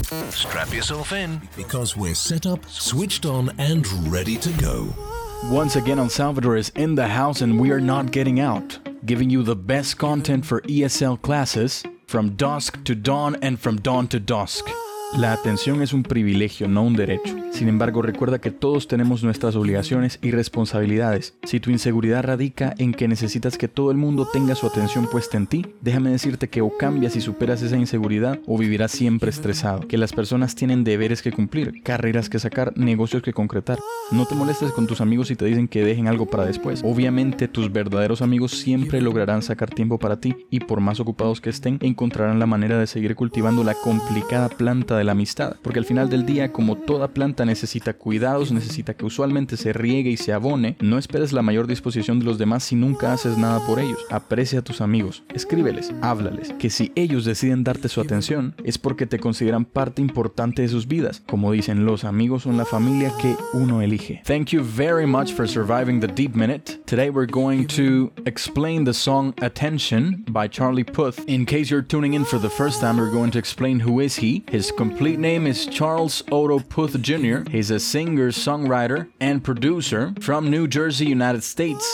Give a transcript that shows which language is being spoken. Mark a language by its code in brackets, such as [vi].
[en] Strap yourself in because we're set up, switched on, and ready to go. Once again, El Salvador is in the house and we are not getting out. Giving you the best content for ESL classes from dusk to dawn and from dawn to dusk. [es] La atención es un privilegio, no un derecho. Sin embargo, recuerda que todos tenemos nuestras obligaciones y responsabilidades. Si tu inseguridad radica en que necesitas que todo el mundo tenga su atención puesta en ti, déjame decirte que o cambias y superas esa inseguridad o vivirás siempre estresado. Que las personas tienen deberes que cumplir, carreras que sacar, negocios que concretar. No te molestes con tus amigos si te dicen que dejen algo para después. Obviamente, tus verdaderos amigos siempre lograrán sacar tiempo para ti y por más ocupados que estén, encontrarán la manera de seguir cultivando la complicada planta de la amistad, porque al final del día, como toda planta necesita cuidados, necesita que usualmente se riegue y se abone, no esperes la mayor disposición de los demás si nunca haces nada por ellos. Aprecia a tus amigos, escríbeles, háblales, que si ellos deciden darte su atención, es porque te consideran parte importante de sus vidas. Como dicen, los amigos son la familia que uno elige. [en] Thank you very much for surviving the deep minute. Today we're going to explain the song Attention by Charlie Puth. In case you're tuning in for the first time, we're going to explain who is he. His complete name is Charles Otto Puth Jr. He's a singer, songwriter, and producer from New Jersey, United States.